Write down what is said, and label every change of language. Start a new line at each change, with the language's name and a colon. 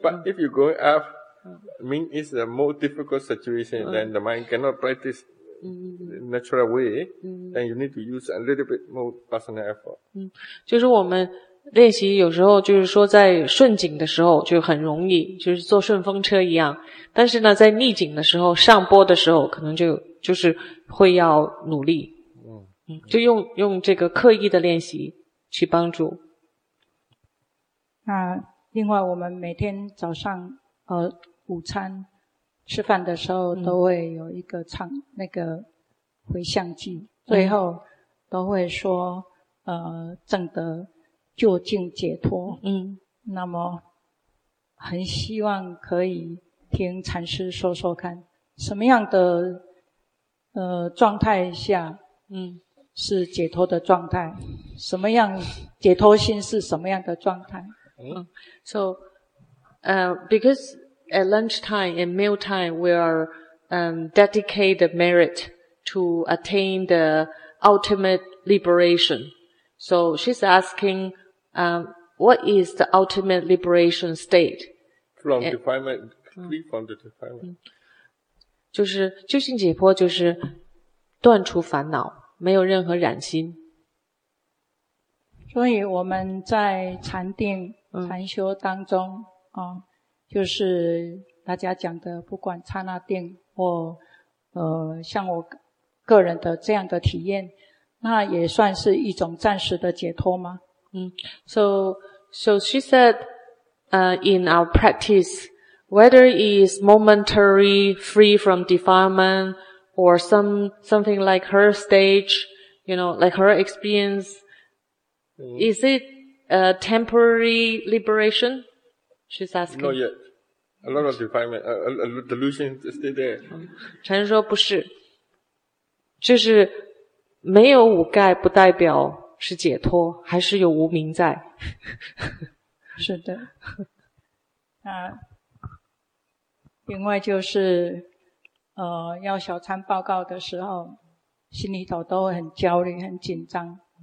English: But if you're going up, mean is a more difficult situation than the mind cannot practice natural way. Then you need to use a little bit more personal effort.
Chinese: 就是我们练习有时候就是说在顺境的时候就很容易，就是坐顺风车一样。但是呢，在逆境的时候，上坡的时候，可能就是会要努力。就用这个刻意的练习去帮助。那另外我们每天早上午餐吃饭的时候都会有一个唱那个回向偈，最后都会说正德究竟解脱。那么很希望可以听禅师说说看什么样的状态下是解脱的状态，什么样解脱心是什么样的状态。
English: So, because at lunchtime and meal time, we are dedicate the merit to attain the ultimate liberation. So she's asking, what is the ultimate liberation state? From defilement, free from the defilement.
Chinese: 就是究竟解脱就是断除烦恼，没有任何染心。所以我们在禅定禅修当中啊，就是大家讲的，不管刹那定或像我个人的这样的体验，那也算是一种暂时的解脱吗？
English: So she said, in our practice, whether it is momentary free from defilement or something like her stage, you know, like her experience, is it a temporary liberation? She's asking. Not yet. A lot of defilement, delusion stay there.
Chinese: 禅师说不是，就是没有五盖不代表是解脱，还是有无明在。是的。那另外就是要小参报告的时候心里头都会很焦虑很紧张。